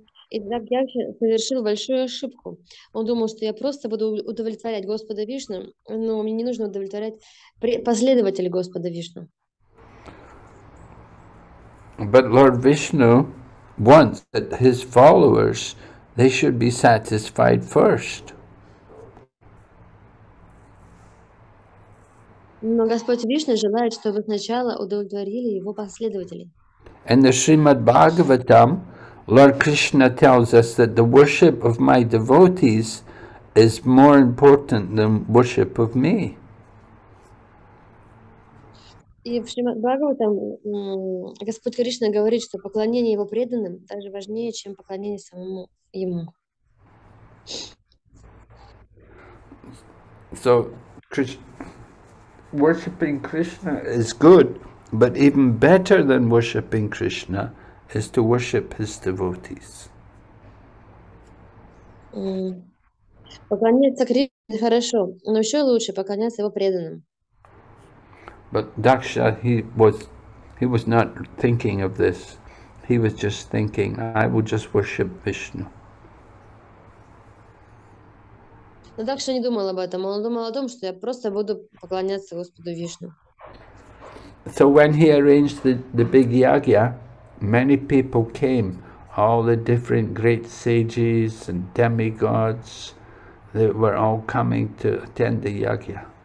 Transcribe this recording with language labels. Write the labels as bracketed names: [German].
[Russian] И так я совершил большую ошибку. Он думал, что я просто буду удовлетворять Господа Вишну, но мне не нужно удовлетворять последователей Господа Вишну. [English] But Lord Vishnu wants that his followers, they should be satisfied first. [Russian] Но Господь Вишна желает, чтобы сначала удовлетворили его последователи. [English] In the Srimad Bhagavatam, Lord Krishna tells us that the worship of my devotees is more important than worship of me. [Russian] И в Шримад-Бхагаватам Господь Кришна говорит, что поклонение Его преданным даже важнее, чем поклонение самому Ему. [English] So, worshipping Krishna is good, but even better than worshipping Krishna is to worship His devotees. [Russian] Поклоняться Кришне хорошо, но еще лучше поклоняться Его преданным. [English] But Daksha, he was not thinking of this. He was just thinking, I will just worship Vishnu. [Russian] Но Дакша не думал об этом. Он думал о том, что я просто буду поклоняться Господу Вишну. [English] So when he arranged the big yagya, many people came. All the different great sages and demigods, they were all coming to attend the yagya.